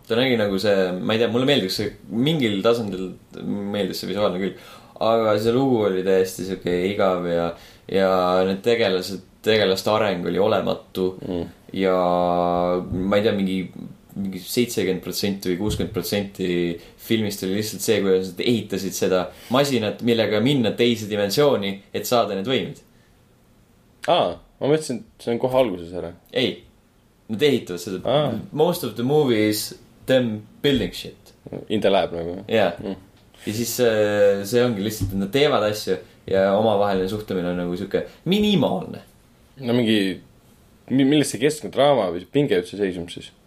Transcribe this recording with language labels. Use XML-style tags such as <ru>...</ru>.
<et>Ta nägi nagu see, ma ei tea, mulle meeldis see mingil tasandil meeldis see visuaalne küll, aga see lugu oli täiesti selline igav ja need tegelast areng oli olematu ja ma ei tea, mingi 70% või 60% filmist oli lihtsalt see, kui nad ehitasid seda masinat, millega minna teise dimensiooni, et saada need võimid. Aa, ma mõtlesin, et see on kohe alguses ära. Ei. Nad ehitavad seda.</et> <en>Most of the movies, them building shit. In the lab</en> <et>nagu. Jah.</et> <en>Yeah.</en> <et>Mm. Ja siis see ongi lihtsalt, et nad teevad asju ja oma vaheline suhtumine on nagu siuke minimaalne. No mingi, millest see keskne draama või see pinge jõudse seisum siis?</et>